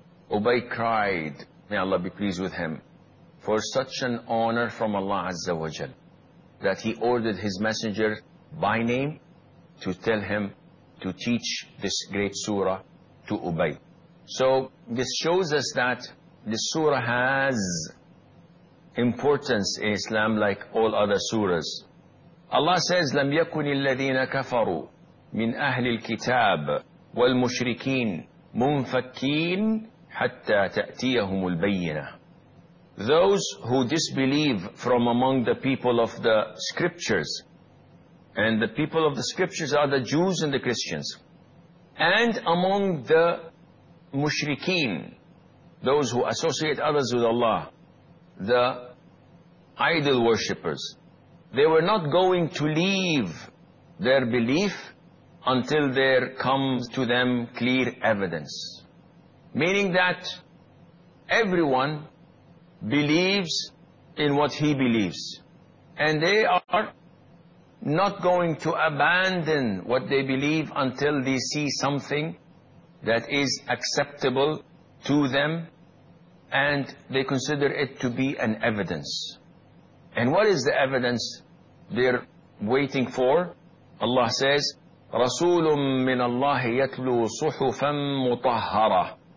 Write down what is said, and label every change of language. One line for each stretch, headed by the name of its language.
English: Ubay cried, may Allah be pleased with him, for such an honor from Allah Azza wa Jal, that he ordered his messenger by name to tell him to teach this great surah to Ubay. So this shows us that this surah has importance in Islam like all other surahs. Allah says,
Arabic: لَمْ يَكُنِ الَّذِينَ كَفَرُوا مِنْ أَهْلِ الْكِتَابِ وَالْمُشْرِكِينَ مُنْفَكِّينَ حَتَّى تَأْتِيَهُمُ الْبَيِّنَةِ.
English: Those who disbelieve from among the people of the scriptures, and the people of the scriptures are the Jews and the Christians, and among the mushrikeen, those who associate others with Allah, the idol worshippers, they were not going to leave their belief until there comes to them clear evidence. Meaning that everyone believes in what he believes, and they are not going to abandon what they believe until they see something that is acceptable to them, and they consider it to be an evidence. And what is the evidence they're waiting for? Allah says,
Arabic: رَسُولٌ مِّنَ اللَّهِ يَتْلُو صُحُفًا مُطَهَّرَةً.